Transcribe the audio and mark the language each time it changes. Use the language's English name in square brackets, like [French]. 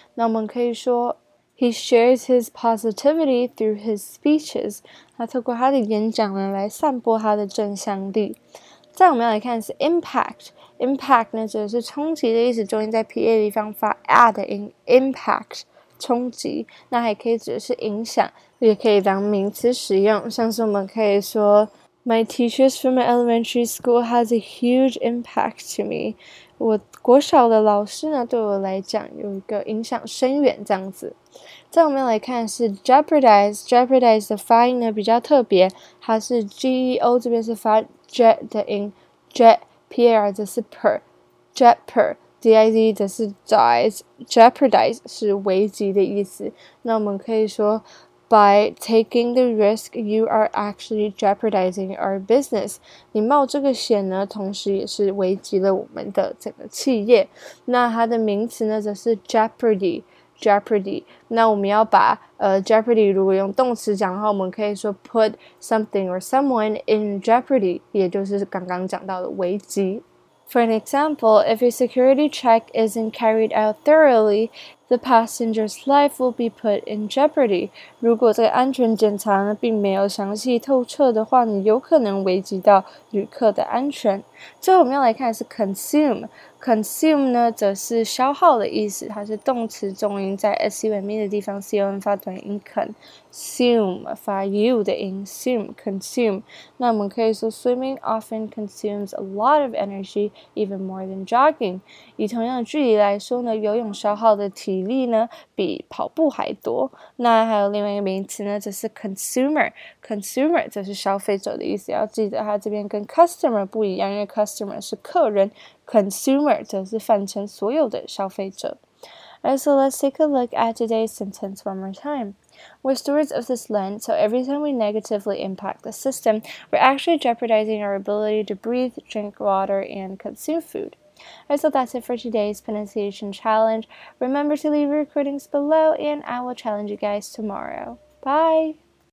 [Chinese] 那我们可以说 ， [English] he shares his positivity through his speeches， [Chinese] 他透过他的演讲呢来散播他的正向力。再我们要来看是 impact。Impact 呢，指的是冲击的意思，重音在 pa 地方发 a 的音 ，impact 冲击。那还可以指的是影响，也可以当名词使用。像是我们可以说 [English] ，My teachers from my elementary school has a huge impact to me。 [Chinese] 我国小的老师呢，对我来讲有一个影响深远这样子。再我们来看是 jeopardize， jeopardize 的发音呢比较特别，它是 g e o 这边是发 j 的音 ，j。 P-A-R 则是 per, jeopard, D-I-Z 则是 dies, jeopardize 是危机的意思。那我们可以说 [English] by taking the risk, you are actually jeopardizing our business. [Chinese] 你冒这个险呢，同时也是危机了我们的整个企业。那它的名词呢，则是 jeopardy, jeopardy。那我们要把jeopardy 如果用动词讲的话，我们可以说 [English] put something or someone in jeopardy， [Chinese] 也就是刚刚讲到的危机。 [English] For an example, if a security check isn't carried out thoroughly, the passenger's life will be put in jeopardy. [Chinese] 如果这个安全检查呢并没有详细透彻的话，你有可能危及到旅客的安全。最后我们要来看是 consume。Consume 呢，则是消耗的意思，它是动词，重音在 s-u-m-e 的地方 ，c-o-n 发短音 ，consume 发 u 的音 ，consume。那我们可以说 [English] ，swimming often consumes a lot of energy, even more than jogging。 [Chinese] 以同样的距离来说呢，游泳消耗的体力呢，比跑步还多。那还有另外一个名词呢，则是 consumer，consumer 则是消费者的意思。要记得它这边跟 customer 不一样，因为 customer 是客人。 Consumer 则是泛称所有的消费者。 [English] Alright, so let's take a look at today's sentence one more time. We're stewards of this land, so every time we negatively impact the system, we're actually jeopardizing our ability to breathe, drink water, and consume food. Alright, so that's it for today's pronunciation challenge. Remember to leave your recordings below, and I will challenge you guys tomorrow. Bye!